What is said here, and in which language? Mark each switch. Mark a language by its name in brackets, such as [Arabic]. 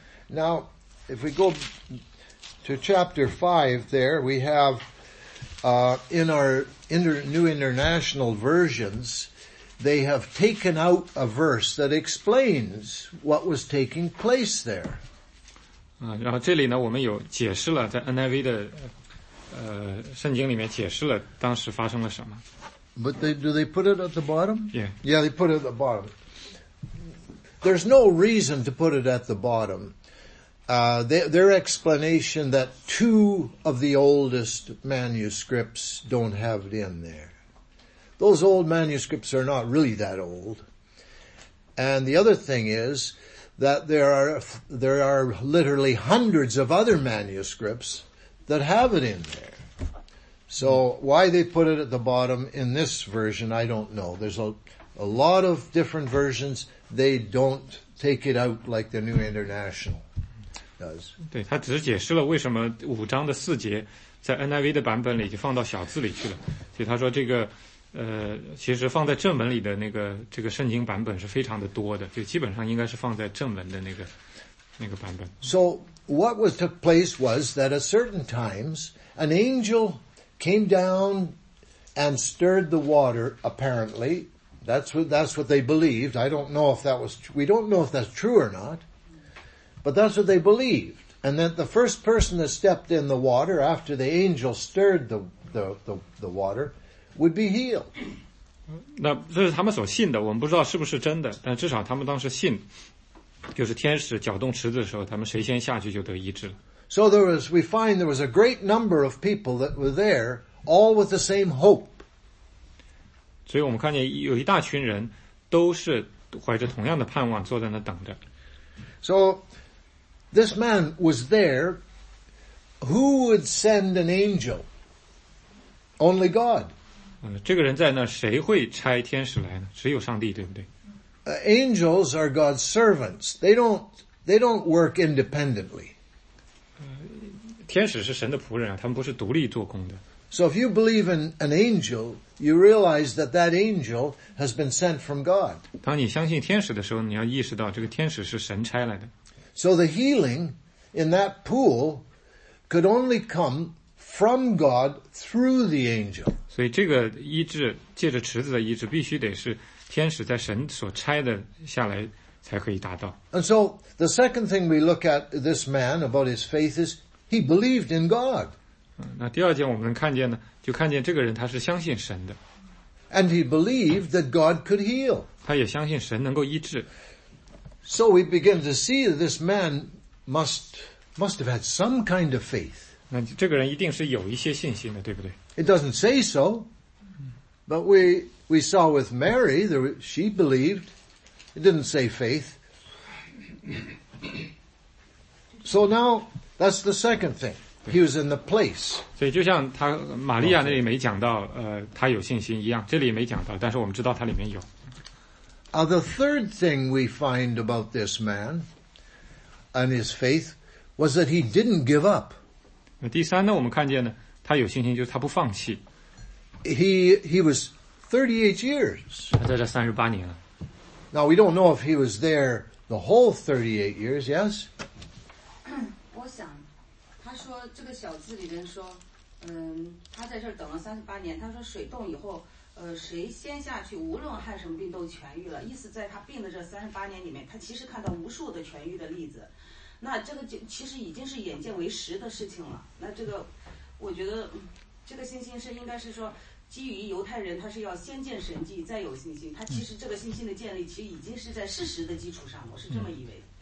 [English] Now, if we go to chapter 5 there, we have, in our New International Versions, they have taken out a verse that explains what was taking place there. [Chinese] 然后这里呢，我们有解释了，在 NIV 的圣经里面解释了当时发生了什么。 [English] But do they put it at the bottom? Yeah. Yeah, they put it at the bottom. There's no reason to put it at the bottom. Their explanation that two of the oldest manuscripts don't have it in there. Those old manuscripts are not really that old. And the other thing is that there are literally hundreds of other manuscripts that have it in there. So why they put it at the bottom in this version, I don't know. There's a lot of different versions. They don't take it out like the New International does. [Chinese] 对，他只是解释了为什么五章的四节在 NIV 的版本里就放到小字里去了。所以他说这个，其实放在正文里的那个这个圣经版本是非常的多的，就基本上应该是放在正文的那个版本。 [English] So what was took place was that at certain times an angelcame down and stirred the water, apparently. That's what they believed. We don't know if that's true or not. But that's what they believed. And that the first person that stepped in the water after the angel stirred the water would be healed. [Chinese] 那这是他们所信的，我们不知道是不是真的，但至少他们当时信，就是天使搅动池子的时候，他们谁先下去就得医治了。 [English] So we find there was a great number of people that were there, all with the same hope. [Chinese] 所以我们看见有一大群人都是怀着同样的盼望坐在那等着。 [English] So this man was there. Who would send an angel? Only God. [Chinese] 这个人在那谁会差天使来呢？只有上帝，对不对？ [English] Angels are God's servants. They don't work independently. [Chinese] 天使是神的仆人啊，他们不是独立做工的。 [English] So if you believe in an angel, you realize that that angel has been sent from God. [Chinese] 当你相信天使的时候，你要意识到这个天使是神差来的。 [English] So the healing in that pool could only come from God through the angel. [Chinese] 所以这个医治，借着池子的医治，必须得是天使在神所差的下来才可以达到。 [English] And so the second thing we look at this man about his faith is he believed in God. [Chinese] 那第二件我们看见呢，就看见这个人他是相信神的。 [English] And he believed that God could heal. [Chinese] 他也相信神能够医治。 [English] So we begin to see that this man must have had some kind of faith. [Chinese] 那这个人一定是有一些信心的，对不对？ [English] It doesn't say so. But we saw with Mary, she believed. It didn't say faith. So now, that's the second thing. He was in the place. [Chinese] 所以就像他玛利亚那里没讲到、okay. 他有信心一样，这里也没讲到，但是我们知道他里面有。 [English] The third thing we find about this man and his faith was that he didn't give up. [Chinese] 第三呢，我们看见呢，他有信心，就是他不放弃。 [English] He was 38 years. [Chinese] 他在这38年了。 [English] Now we don't know if he was there the whole 38 years, yes? [Chinese] 我想他说这个小字里边说他在这儿等了38年，他说水冻以后谁先下去无论害什么病都痊愈了，意思在他病的这38年里面他其实看到无数的痊愈的例子，那这个就其实已经是眼见为实的事情了。那这个我觉得这个信心是应该是说基于犹太人他是要先见神迹再有信心，他其实这个信心的建立其实已经是在事实的基础上，我是这么以为。